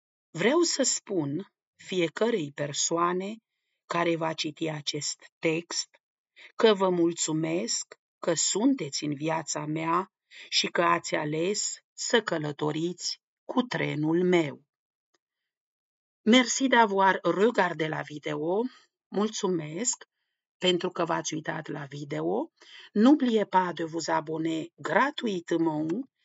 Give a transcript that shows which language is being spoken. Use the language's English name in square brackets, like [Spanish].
[Romanian] Vreau să spun fiecărei persoane care va citi acest text că vă mulțumesc că sunteți în viața mea și că ați ales să călătoriți cu trenul meu. [French] Merci d'avoir regardé la vidéo. [Romanian] Mulțumesc pentru că v-ați uitat la video. [French] N'oubliez pas de vous abonner gratuitement.